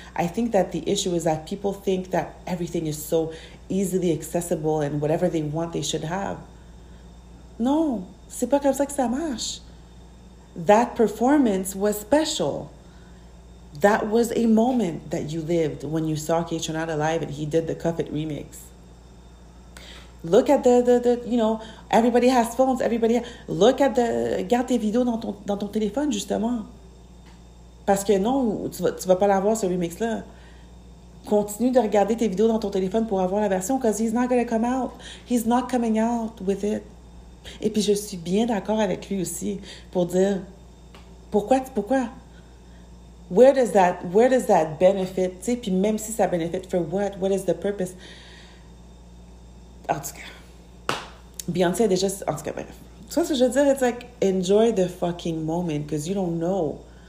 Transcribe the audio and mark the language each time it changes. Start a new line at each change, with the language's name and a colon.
English: I think that the issue is that people think that everything is so easily accessible and whatever they want, they should have.
French: Non, c'est pas comme ça que ça marche.
English: That performance was special. That was a moment that you lived when you saw Kishanada live and he did the Cuff It remix. Look at the you know, everybody has phones, everybody has, look at the,
French: garde tes vidéos dans ton téléphone, justement. Parce que non, tu vas pas l'avoir, ce remix-là. Continue de regarder tes vidéos dans ton téléphone pour avoir la version,
English: because he's not gonna come out. He's not coming out with it.
French: Et puis, je suis bien d'accord avec lui aussi pour dire, pourquoi?
English: Where does that benefit,
French: tu sais, puis même si ça
English: benefit, for what? What is the purpose?
French: En tout cas, Beyoncé a déjà... En tout cas, bref. Tu vois ce que je veux dire?
English: It's like, enjoy the fucking moment, because you don't know.